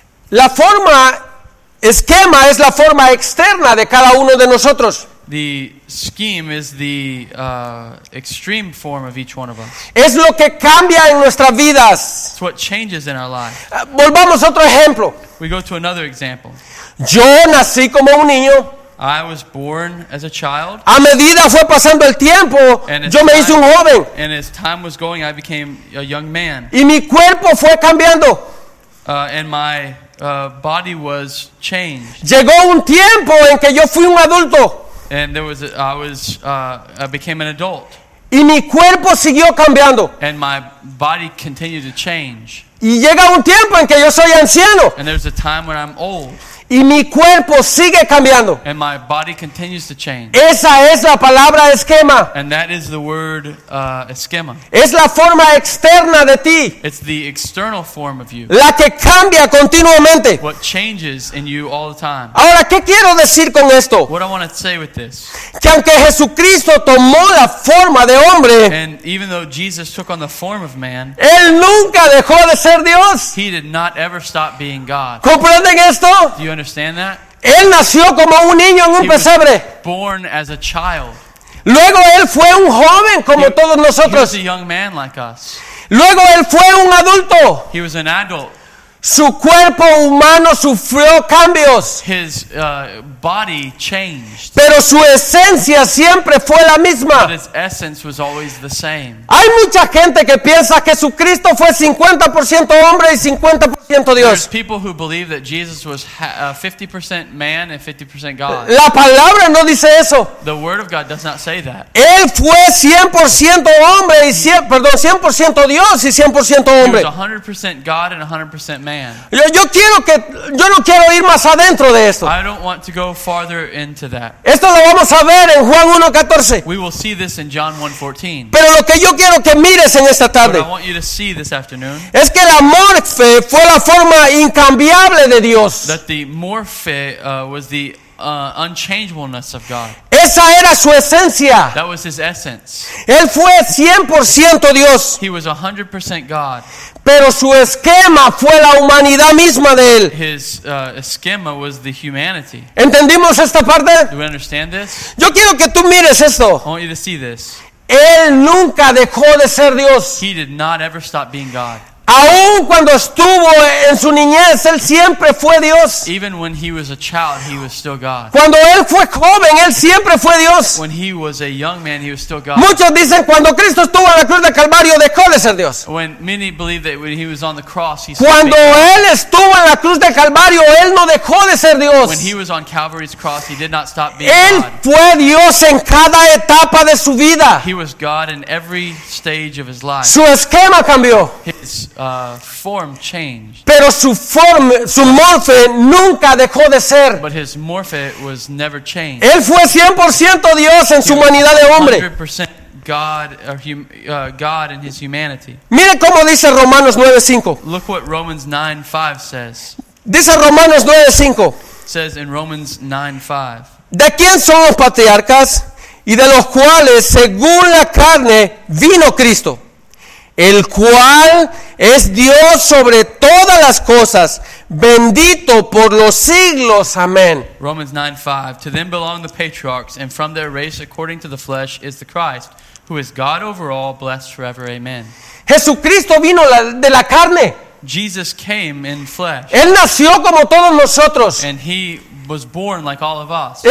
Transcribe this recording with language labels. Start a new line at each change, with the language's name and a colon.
Spanish: La forma esquema es la forma externa de cada uno de nosotros.
English: The scheme is the extreme form of each one of us.
Spanish: Es lo que cambia en nuestras vidas.
English: It's what changes in our lives.
Spanish: Volvamos a otro ejemplo.
English: We go to another example.
Spanish: Yo nací como un niño.
English: I was born as a child.
Spanish: A medida fue pasando el tiempo, yo me hice un joven.
English: And as time was going, I became a young man.
Spanish: Y mi cuerpo fue cambiando.
English: And my body was changed.
Spanish: Llegó un tiempo en que yo fui un adulto.
English: And there was I became an adult.
Spanish: Y mi cuerpo siguió cambiando.
English: And my body continued to change.
Spanish: Y llega un tiempo en que yo soy anciano.
English: And there's a time when I'm old.
Spanish: Y mi cuerpo sigue cambiando.
English: And my body continues to change.
Spanish: Esa es la palabra esquema.
English: And that is the word esquema.
Spanish: Es la forma externa de ti.
English: It's the external form of you.
Spanish: La que cambia continuamente.
English: What changes in you all the time.
Spanish: Ahora, ¿qué quiero decir con esto?
English: What I want to say with this.
Spanish: Que aunque Jesucristo tomó la forma de hombre,
English: and even though Jesus took on the form of man,
Spanish: él nunca dejó de ser Dios.
English: He did not ever stop being God.
Spanish: ¿Comprenden esto?
English: Do you understand that?
Spanish: Él nació como un niño en un pesebre.
English: Born as a child.
Spanish: Luego él fue un joven como todos nosotros.
English: He was a young man like us.
Spanish: Luego él fue un adulto.
English: He was an adult.
Spanish: Su cuerpo humano sufrió cambios.
English: His body changed.
Spanish: Pero su esencia siempre fue la misma.
English: But his essence was always the same.
Spanish: Hay mucha gente que piensa que Jesucristo fue 50% hombre y 50% Dios.
English: There's people who believe that Jesus was 50% man and 50% God.
Spanish: La palabra no dice eso.
English: The word of God does not say that.
Spanish: Él fue 100% hombre y 100% Dios y 100% hombre.
English: He was 100% God and 100% man.
Spanish: Yo no quiero ir más adentro de esto.
English: I don't want to go farther into that.
Spanish: Esto lo vamos a ver en Juan 1:14.
English: We will see this in John 1:14.
Spanish: Pero lo que yo quiero que mires en esta tarde,
English: what I want you to see this afternoon,
Spanish: es que la morfe fue la forma incambiable de Dios.
English: That the morfe was the unchangeableness of God.
Spanish: Esa era su esencia.
English: That was his essence.
Spanish: Él fue 100% Dios.
English: He was 100% God.
Spanish: Pero su esquema fue la humanidad misma de él.
English: His esquema was the humanity.
Spanish: ¿Entendimos esta parte?
English: Do we understand this?
Spanish: Yo quiero que tú mires esto.
English: I want you to see this.
Spanish: Él nunca dejó de ser Dios.
English: He did not ever stop being God.
Spanish: Aún cuando estuvo en su niñez, él siempre fue Dios.
English: Even when he was a child, he was still God.
Spanish: Cuando él fue joven, él siempre fue Dios.
English: When he was a young man, he was still God.
Spanish: Muchos dicen cuando Cristo estuvo en la cruz del Calvario dejó de ser Dios.
English: When many believe that when he was on the cross, he
Spanish: cuando él estuvo en la cruz del Calvario, él no dejó de ser Dios.
English: When he was on Calvary's cross, he did not stop being
Spanish: él
English: God.
Spanish: Fue Dios en cada etapa de su vida.
English: He was God in every stage of his life.
Spanish: Su esquema cambió.
English: Form changed.
Spanish: Pero su forma, su morfe nunca dejó de ser.
English: But his morphe was never changed.
Spanish: Él fue 100% Dios en su humanidad de hombre.
English: 100% God, God in his humanity.
Spanish: Mire cómo dice Romanos 9:5.
English: Look what Romans 9:5 says.
Spanish: Dice Romanos 9:5.
English: says in Romans 9:5.
Spanish: ¿De quién son los patriarcas? Y de los cuales, según la carne, vino Cristo, el cual es Dios sobre todas las cosas, bendito por los siglos. Amén.
English: Romans 9:5. To them belong the patriarchs, and from their race according to the flesh is the Christ, who is God over all, blessed forever. Amen.
Spanish: Jesucristo vino de la carne.
English: Jesus came in flesh.
Spanish: Él nació como todos nosotros.
English: And he was born like all of us.